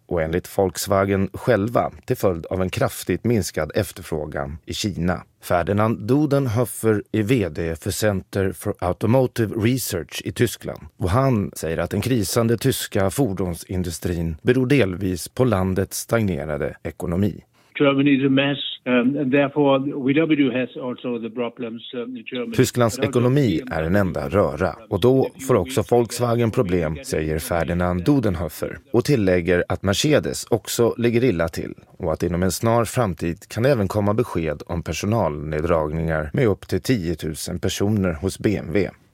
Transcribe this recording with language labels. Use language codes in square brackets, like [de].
[sv] Och enligt Volkswagen själva till följd av en kraftigt minskad efterfrågan i Kina. Ferdinand Dudenhöffer är vd för Center for Automotive Research i Tyskland. Och han säger att den krisande tyska fordonsindustrin beror delvis på landets stagnerade ekonomi. [en] Germany is a mess. Therefore, VW has also the problems in Germany. [sv] Tysklands ekonomi är en enda röra och då får också Volkswagen problem, säger Ferdinand Dudenhöffer och tillägger att Mercedes också ligger illa till och att inom en snar framtid kan även komma besked om personalneddragningar med upp till 10 000 personer hos BMW.